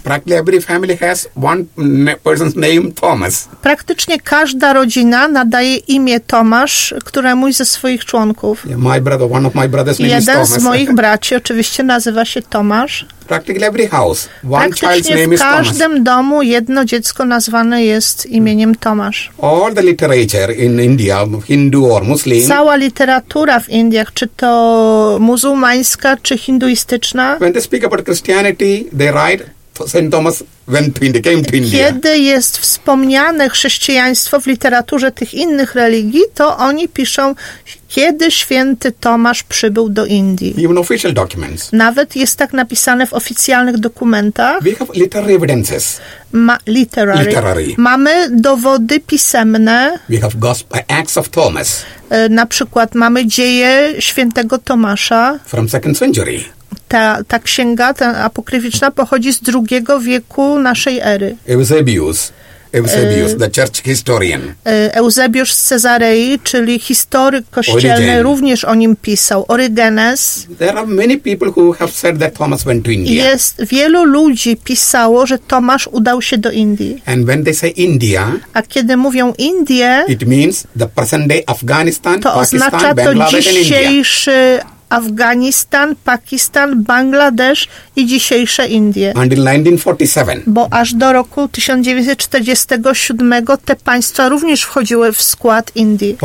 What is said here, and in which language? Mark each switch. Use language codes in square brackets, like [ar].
[en] Practically every family has one person's name, Thomas. [pl] Praktycznie każda rodzina nadaje imię Tomasz któremuś ze swoich członków. [en] Yeah, my brother, one of my brother's name [pl] jeden [en] is Thomas. [pl] Jeden z moich braci oczywiście nazywa się Tomasz. [en] Practically every house, one child's name is Thomas. [pl] W każdym domu jedno dziecko nazwane jest imieniem Tomasz. [en] All the literature in India, Hindu or Muslim. [pl] Cała literatura w Indiach, czy to muzułmańska, czy hinduistyczna. [en] When they speak about Christianity, they write St. Thomas went to India, came to India. [pl] Kiedy jest wspomniane chrześcijaństwo w literaturze tych innych religii, to oni piszą, kiedy święty Tomasz przybył do Indii. [en] Even official documents. [pl] Nawet jest tak napisane w oficjalnych dokumentach. [en] We have literary evidences. [pl] Literary. Mamy dowody pisemne. [en] We have gospel, Acts of Thomas. [pl] Na przykład mamy dzieje świętego Tomasza. [en] From second century. [pl] Ta księga, ta apokryficzna, pochodzi z drugiego wieku naszej ery. [en] Eusebius, the church historian. [pl] Eusebiusz z Cezarei, czyli historyk kościelny, Origen. Również o nim pisał. Origenes. [en] There are many people who have said that Thomas went to India. [pl] Jest wielu ludzi pisało, że Tomasz udał się do Indii. [en] And when they say India, [pl] a kiedy mówią Indie, [en] it means the present day Afghanistan, [pl] to oznacza [en] Pakistan, [pl] to dzisiejszy Afganistan, Pakistan, Bangladesz i dzisiejsze Indie. [en] Until 1947. [pl] Bo aż do roku 1947 te państwa również wchodziły w skład Indii.